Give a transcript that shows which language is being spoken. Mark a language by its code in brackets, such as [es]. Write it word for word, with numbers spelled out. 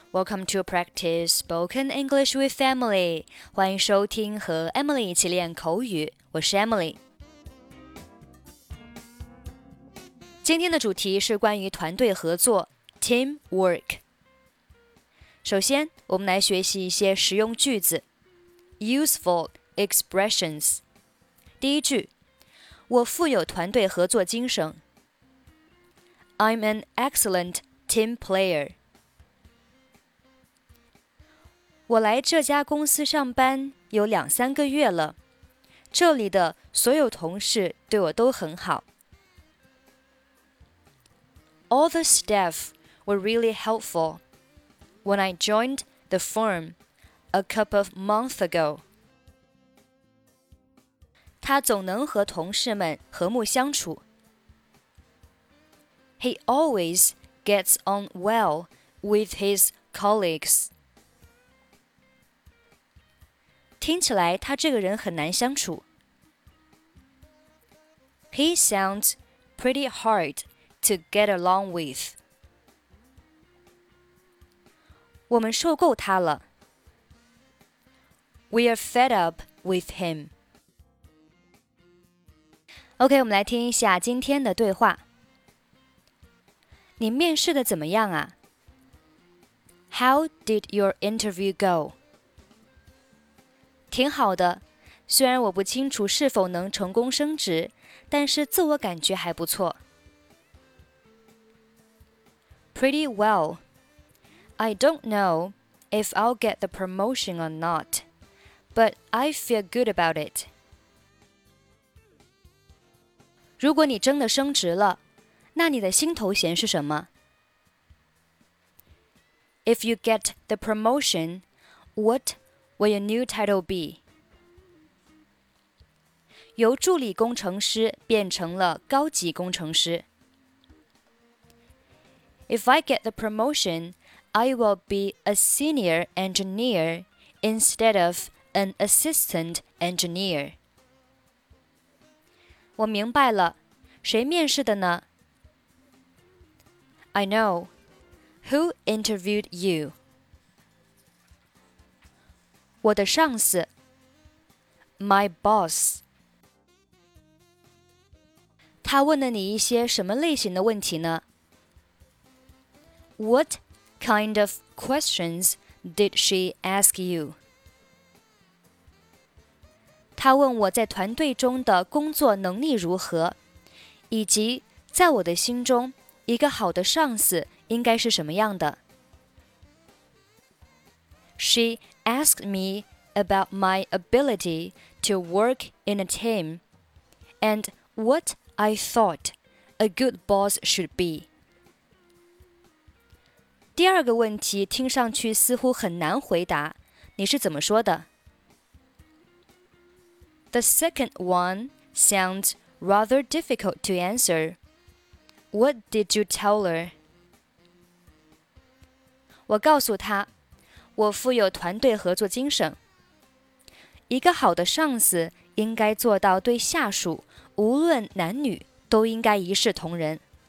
[en] Welcome to practice spoken English with Emily. [zh] 欢迎收听和 Emily 一起练口语，我是 Emily。今天的主题是关于团队合作 （teamwork）。首先，我们来学习一些实用句子 （useful expressions）。第一句，我富有团队合作精神。 [en] I'm an excellent. Team player. [zh] 我来这家公司上班有两三个月了，这里的所有同事对我都很好。 [en] All the staff were really helpful when I joined the firm a couple of months ago. [zh] 他总能和同事们和睦相处。 [en] He always gets on well with his colleagues. [zh] 听起来他这个人很难相处。 [en] He sounds pretty hard to get along with. [zh] 我们受够他了。 [en] We are fed up with him. [zh] OK, 我们来听一下今天的对话。你面试的怎么样啊 ？ [en] How did your interview go? [zh] 挺好的，虽然我不清楚是否能成功升职，但是自我感觉还不错。 [en] Pretty well. I don't know if I'll get the promotion or not, but I feel good about it. [zh] 如果你真的升职了。那你的新头衔是什么 ？ [en] If you get the promotion, what will your new title be? [zh] 由助理工程师变成了高级工程师。 [en] If I get the promotion, I will be a senior engineer instead of an assistant engineer. [zh] 我明白了，谁面试的呢？ [en] I know. Who interviewed you? [zh] 我的上司 [en] My boss. [zh] 他问了你一些什么类型的问题呢 [en] What kind of questions did she ask you? [zh] 他问我在团队中的工作能力如何，以及在我的心中一个好的上司应该是什么样的 [en] She asked me about my ability to work in a team and what I thought a good boss should be. [zh] 第二个问题听上去似乎很难回答，你是怎么说的 [en] The second one sounds rather difficult to answer. What did you tell her? [zh] 我告诉她，我富有团队合作精神。一个好的上司应该做到对下属，无论男女，都应该一视同仁。